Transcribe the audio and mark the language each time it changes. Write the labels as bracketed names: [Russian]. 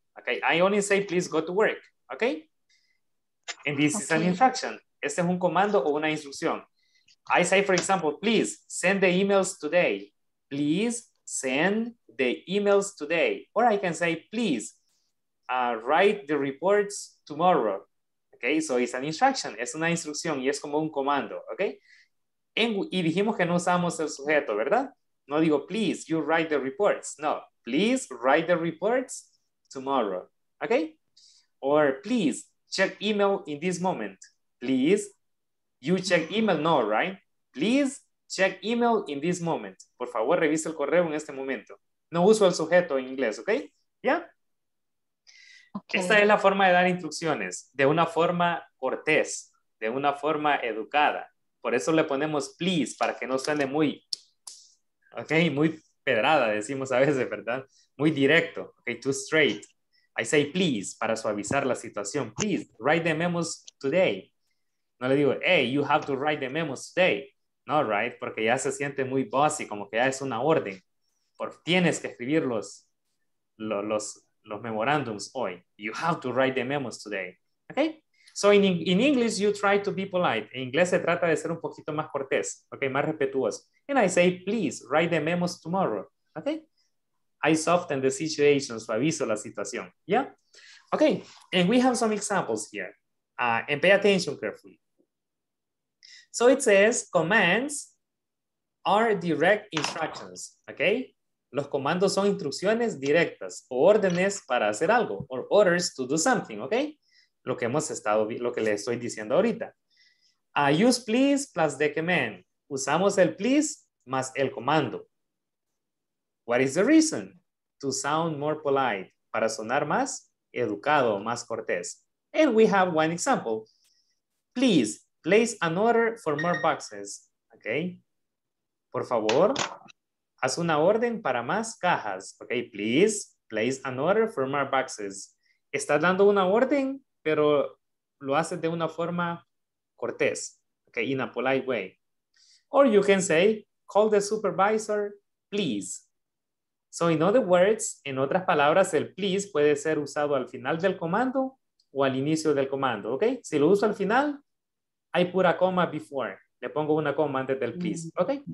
[English] Okay, I only say, please go to work. Okay? And this is an instruction. [Spanish] Este es un comando o una instrucción. [English] I say, for example, please send the emails today. Please send the emails today. Or I can say, please write the reports tomorrow. Okay, so it's an instruction. [Spanish] Es una instrucción y es como un comando. Okay? Y dijimos que no usamos el sujeto, ¿verdad? [English] No digo, please, you write the reports. No, please write the reports tomorrow. Okay? Or please check email in this moment. Please, you check email, no, right? Please check email in this moment. [Spanish] Por favor, revisa el correo en este momento. No uso el sujeto en inglés, ¿ok? ¿Ya? [English] Yeah? Okay. [Spanish] Esta es la forma de dar instrucciones, de una forma cortés, de una forma educada. Por eso le ponemos please, para que no suene muy, ¿ok? Muy pedrada, decimos a veces, ¿verdad? Muy directo, ¿ok? [English] Too straight. I say please, [Spanish] para suavizar la situación. [English] Please, write the memos today. [Spanish] No le digo, [English] hey, you have to write the memos today. No, right? [Spanish] Porque ya se siente muy bossy, como que ya es una orden. Tienes que escribir los memorándums hoy. [English] You have to write the memos today. Okay? So in English, you try to be polite. [Spanish] En inglés se trata de ser un poquito más cortés, okay? Más respetuoso. [English] And I say, please, write the memos tomorrow. Okay? I soften the situation, [Spanish] suavizo la situación. [English] Yeah? Okay, and we have some examples here. And pay attention carefully. So it says, commands are direct instructions, okay? [Spanish] Los comandos son instrucciones directas o órdenes para hacer algo, [English] or orders to do something, [Spanish] okay? Lo que le estoy diciendo ahorita. [English] Use please plus the command. [Spanish] Usamos el please más el comando. [English] What is the reason? To sound more polite, [Spanish] para sonar más educado, más cortés. [English] And we have one example. Please place an order for more boxes. Okay. [Spanish] Por favor, haz una orden para más cajas. Okay. [English] Please place an order for more boxes. [Spanish] Estás dando una orden, pero lo haces de una forma cortés. [English] Okay. In a polite way. Or you can say, call the supervisor, please. So in other words, [Spanish] en otras palabras, el please puede ser usado al final del comando o al inicio del comando, ¿ok? Si lo uso al final, [English] I put a comma before. [Spanish] Le pongo una coma antes del please, ¿ok?